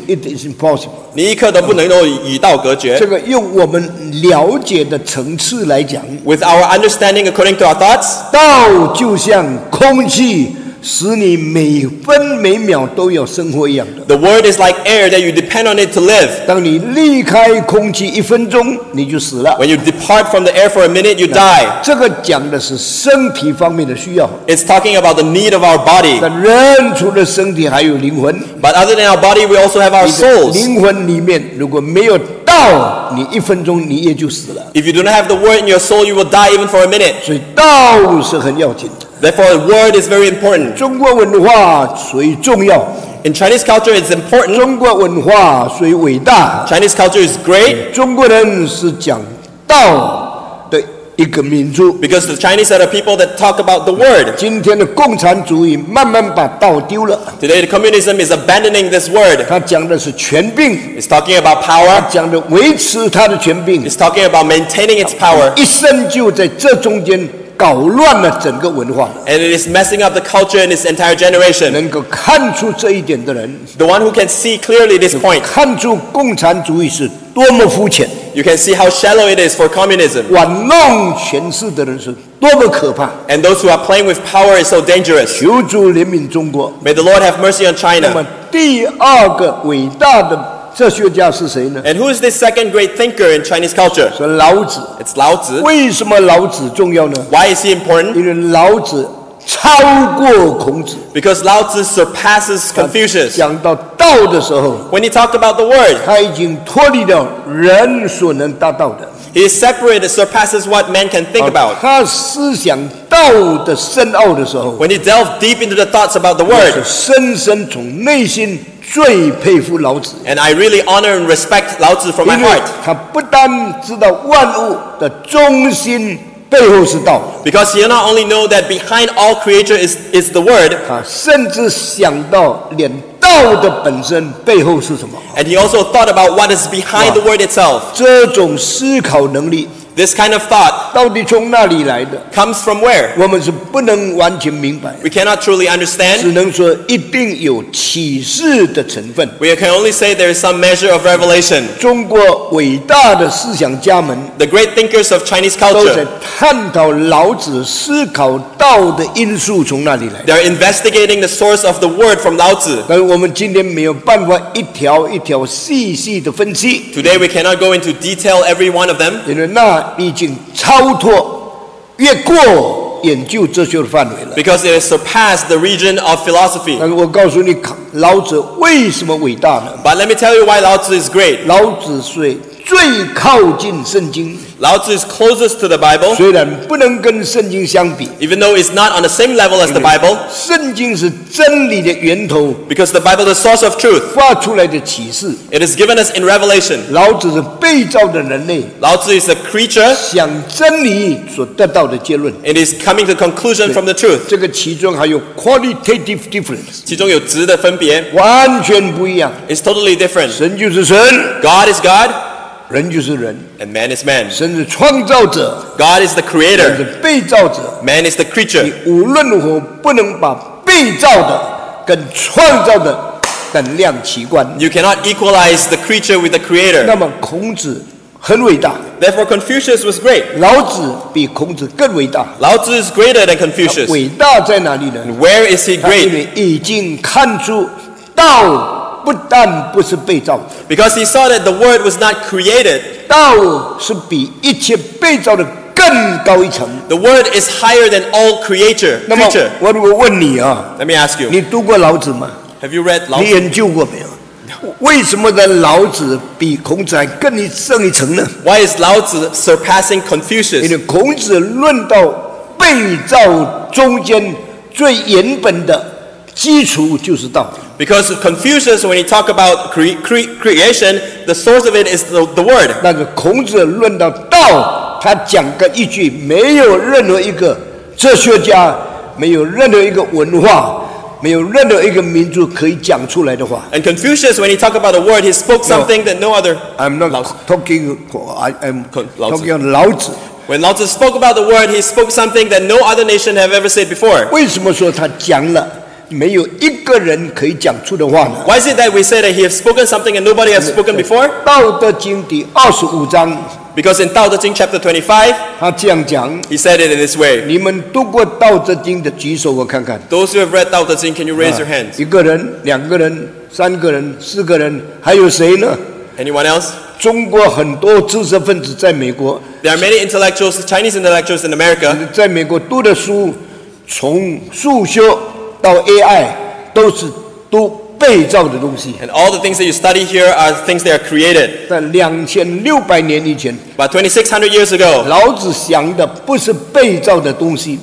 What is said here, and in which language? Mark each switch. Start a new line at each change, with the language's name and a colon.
English: It is impossible.
Chinese: 你一刻都不能够与道隔绝。这个用我们了解的层次来讲，
English: with our understanding according to our thoughts,
Chinese: 道就像空气使你每分每秒都有生活一样的。
English: The word is like air that you depend on it to live.
Chinese: 当你离开空气一分钟，你就死了。
English: When you depart from the air for a minute, you die.
Chinese: 这个讲的是身体方面的需要。
English: It's talking about the need of our body.
Chinese: 人除了身体还有灵魂。
English: But other than our body, we also have our souls.
Chinese: 灵魂里面如果没有道，你一分钟你也就死了。
English: If you do not have the word in your soul, you will die even for a minute.
Chinese: 所以道是很要紧的。
English: Therefore, the word is very important.
Chinese: 中国文化最重要。
English: In Chinese culture, it's important.
Chinese: 中国文化最伟大。
English: Chinese culture is great.
Chinese: 中国人是讲道的一个民族。
English: Because the Chinese are the people that talk about the word.
Chinese: 今天的共产主义慢慢把道丢了。
English: Today, the communism is abandoning this word.
Chinese: 他讲的是权柄。
English: It's talking about power.
Chinese: 他讲的维持他的权柄。
English: It's talking about maintaining its power.
Chinese: 一生就在这中间搞乱了整个文化。
English: And it is messing up the culture in its entire generation.
Chinese: 能够看出这一点的人，
English: The one who can see clearly this point,
Chinese: 看出共产主义是多么肤浅，
English: You can see how shallow it is for communism.
Chinese: 玩弄权势的人是多么可怕。
English: And those who are playing with power is so dangerous.
Chinese: 求主怜悯中国。
English: May the Lord have mercy on China.
Chinese: 那么第二个伟大的哲学家是谁呢？
English: And who is this second great thinker in Chinese culture?
Chinese: 是老子。
English: It's 老子。
Chinese: 为什么老子重要呢？
English: Why is he important?
Chinese: 因为老子超过孔子。
English: Because 老子 surpasses Confucius.
Chinese: 讲到道的时候，
English: When he talked about the word,
Chinese: 他已经脱离了人所能达到的。
English: He is separated, surpasses what man can think about.
Chinese: 他思想道的深奥的时候，
English: When he delved deep into the thoughts about the word,
Chinese: 深深从内心最佩服老子。
English: And I really honor and respect 老子 from my heart.
Chinese: 他不但知道万物的中心背后是道。
English: Because he not only know that behind all creature is the word.
Chinese: 他甚至想到连道的本身背后是什么。
English: And he also thought about what is behind the word itself.
Chinese: 这种思考能力，
English: this kind of thought,
Chinese: 到底从哪里来的？
English: Comes from where?
Chinese: 我们是不能完全明白。
English: We cannot truly understand.
Chinese: 只能说一定有启示的成分。
English: We can only say there is some measure of revelation.
Chinese: 中国伟大的思想家们，
English: the great thinkers of Chinese culture,
Chinese: 都在探讨老子思考道的因素从哪里来。
English: They are investigating the source of the word from 老子。
Chinese: 但我们今天没有办法一条一条细细的分析。
English: Today we cannot go into detail every one of them.
Chinese: 因为那已经超脱越过研究哲学的范围了。
English: Because it has surpassed the region of philosophy.
Chinese: 但是我告诉你老子为什么伟大呢？
English: But let me tell you why 老子 is great.
Chinese: 老子是最靠近圣经。
English: 老子 is closest to the Bible.
Chinese: 虽然不能跟圣经相比。
English: Even though it's not on the same level as the Bible.
Chinese: 圣经是真理的源头。
English: Because the Bible is the source of truth.
Chinese: 发出来的启示。
English: It is given us in revelation.
Chinese: 老子是被造的人类。
English: 老子 is a creature.
Chinese: 想真理所得到的结论。
English: It is coming to conclusion from the truth.
Chinese: 这个其中还有
English: qualitative difference.
Chinese: 其中有质的分别。完全不一样。
English: It's totally different.
Chinese: 神就是神。
English: God is God.
Chinese: 人就是人。
English: And man is man.
Chinese: 神是创造者。
English: God is the creator.
Chinese: 人是被造者。
English: Man is the creature.
Chinese: 你无论如何不能把被造的跟创造的等量齐观。
English: You cannot equalize the creature with the creator.
Chinese: 那么孔子很伟大。
English: Therefore Confucius was great.
Chinese: 老子比孔子更伟大。
English: 老子 is greater than Confucius.
Chinese: 伟大在哪里呢？
English: And where is he great?
Chinese: 他已经看出道不但不是被造的。
English: Because he saw that the word was not created.
Chinese: 道是比一切被造的更高一层。
English: The word is higher than all creature.
Chinese: 那么我问你啊，
English: Let me ask you.
Chinese: 你读过老子吗？
English: Have you read 老子？
Chinese: 你研究过没有？为什么的老子比孔子还更胜一层呢？
English: Why is 老子 surpassing Confucius?
Chinese: 因为孔子论到被造中间最原本的基础就是道。
English: Because Confucius, when he talk about creation, the source of it is the word.
Chinese: 那个孔子论到道，他讲个一句，没有任何一个哲学家，没有任何一个文化，没有任何一个民族可以讲出来的话。
English: And Confucius, when he talk about a word, he spoke something that no other. I'm not talking. I'm talking about 老子。 When 老子 spoke about the word, he spoke something that no other nation have ever said before.
Chinese: 为什么说他讲了没有一个人可以讲出的话呢？
English: Why is it that we say that he has spoken something and nobody has spoken before?
Chinese: 道德经第二十五章。
English: Because in 道德经 chapter 25,
Chinese: 他这样讲。
English: He said it in this way.
Chinese: 你们读过道德经的举手我看看。
English: Those who have read 道德经, can you raise your hands?
Chinese: 一个人，两个人，三个人，四个人，还有谁呢？
English: Anyone else?
Chinese: 中国很多知识分子在美国。
English: There are many intellectuals, Chinese intellectuals in America.
Chinese: 在美国读的书，从数学到 AI, 都是读被造的东西。
English: And all the things that you study here are things that are created.
Chinese: 在2600年以前。
English: But 2600 years ago.
Chinese: 老子想的不是被造的东西。